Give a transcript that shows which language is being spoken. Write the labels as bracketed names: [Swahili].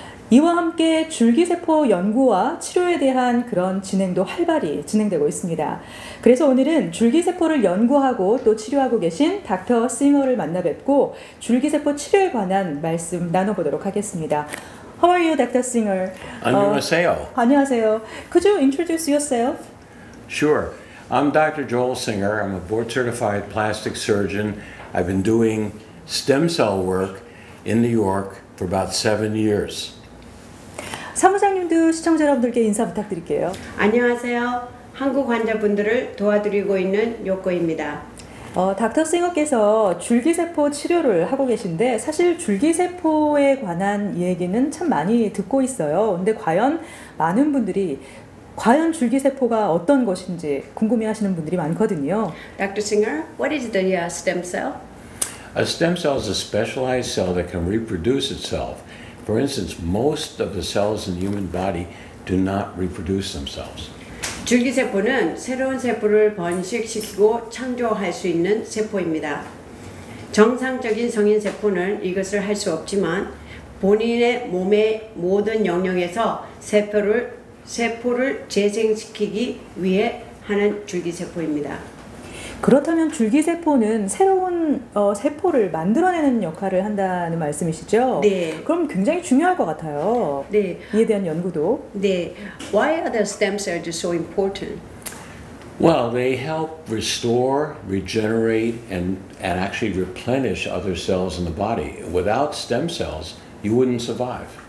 [Korean] 이와 함께 줄기세포 연구와 치료에 대한 그런 진행도 활발히 진행되고 있습니다. 그래서 오늘은 줄기세포를 연구하고 또 치료하고 계신 닥터 싱어를 만나 뵙고 줄기세포 치료에 관한 말씀 나눠보도록 하겠습니다. [English] How are you, Dr. Singer? [Korean] 안녕하세요. 안녕하세요. [English] Could you introduce yourself? Sure. I'm Dr. Joel Singer. I'm a board-certified plastic surgeon. I've been doing stem cell work in New York for about 7 years. [Korean] 사무장님도 시청자 여러분들께 인사 부탁드릴게요. 안녕하세요. 한국 환자분들을 도와드리고 있는 요코입니다. 닥터 싱어께서 줄기세포 치료를 하고 계신데 사실 줄기세포에 관한 얘기는 참 많이 듣고 있어요. 근데 과연 많은 분들이 과연 줄기세포가 어떤 것인지 궁금해하시는 분들이 많거든요. [English] Dr. Singer, what is the stem cell? A stem cell is a specialized cell that can reproduce itself. For instance, most of the cells in the human body do not reproduce themselves. [Korean] 줄기세포는 새로운 세포를 번식시키고 창조할 수 있는 세포입니다. 정상적인 성인 세포는 이것을 할 수 없지만 본인의 몸의 모든 영역에서 세포를 재생시키기 위해 하는 줄기세포입니다. 그렇다면 줄기세포는 새로운 세포를 만들어내는 역할을 한다는 말씀이시죠? 네. 그럼 굉장히 중요할 것 같아요. 네. 이에 대한 연구도. 네. [English] Why are the stem cells so important? Well, they help restore, regenerate, and actually replenish other cells in the body. Without stem cells, you wouldn't survive.